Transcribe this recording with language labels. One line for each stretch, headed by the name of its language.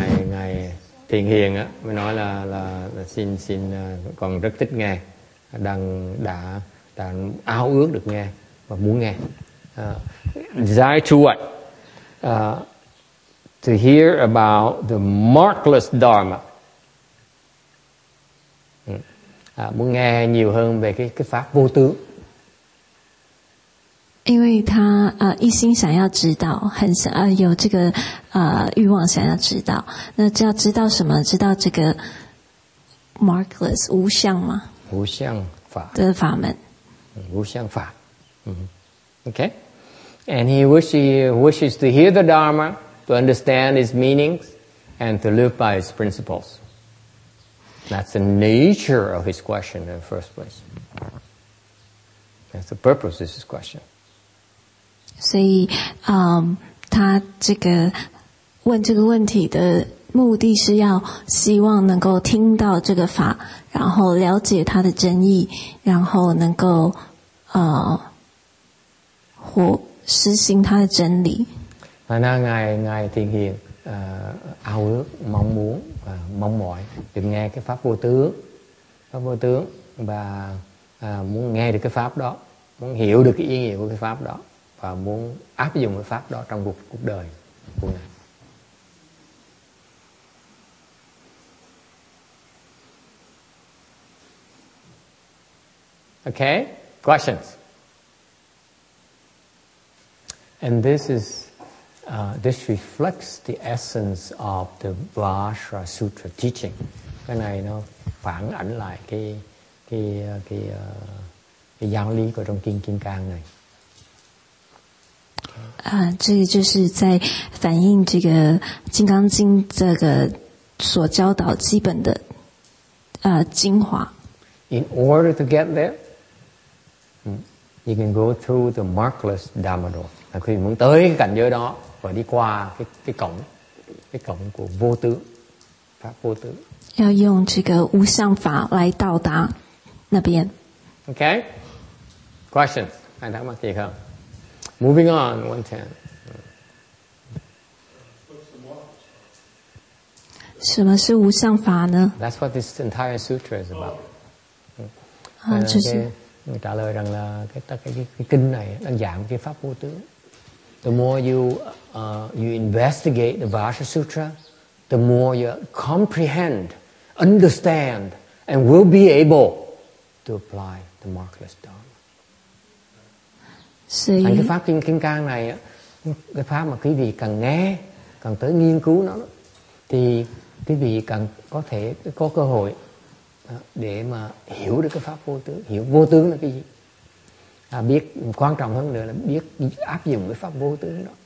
Vietnamese: Ngài thiền hiền á, mới nói là xin còn rất thích nghe, đã ao ước được nghe và muốn nghe.
English: Desire to what? To hear about the marvelous Dharma.
Vietnamese: Muốn nghe nhiều hơn về cái pháp vô tướng.
Chinese: 因为他一心想要知道，很想有这个欲望想要知道。那就要知道什么？知道这个 marvelous 无相吗？无相法的法门。无相法。
English: Okay, and he wishes to hear the Dharma. To understand its meanings and to live by its principles. That's the nature of his question in the first place. That's the purpose of his question.
Chinese: 所以他这个问这个问题的目的是要希望能够听到这个法，然后了解它的真意，然后能够活实行它的真理。
Vietnamese: Thành ra ngài thiền hiền ao ước mong muốn và mong mỏi được nghe cái pháp vô tướng và muốn nghe được cái pháp đó, muốn hiểu được cái ý nghĩa của cái pháp đó và muốn áp dụng cái pháp đó trong cuộc đời của ngài.
English: Okay, questions. And this isthis reflects the essence of the Vajra Sutra teaching.
Vietnamese: Cái này nó phản ảnh lại cái giáo lý của trong Kinh Kim Cang này.
Chinese: 这个就是在反映这个金刚经这个所教导基本的精华。
English: In order to get there, you can go through the marvelous Dhamma door.
Chinese: 那可以
Vietnamese: muốn tới cái cảnh giới đó. và đi qua cái cổng của vô tướng, pháp vô tướng.
Chinese: 要用这个无相法来到达那边。
English: Okay, questions?
Chinese: 还有什么问题吗？
English: Moving on, 110.
Chinese: 什么是无相法呢？
English: That's what this entire sutra is about.
Chinese: 就是你答了，讲了
Vietnamese: cái kinh này đang giảng cái pháp vô tướng.
English: The more you investigate the Vajra Sutra, the more you comprehend, understand, and will be able to apply the marvelous Dharma. So,
Vietnamese: thành cái pháp kinh Kim Cang này, cái pháp mà quý vị cần nghe, cần tới nghiên cứu nó, thì quý vị cần có thể có cơ hội để mà hiểu được cái pháp vô tướng, hiểu vô tướng là cái gì.biết quan trọng hơn nữa là biết áp dụng cái pháp vô tướng đó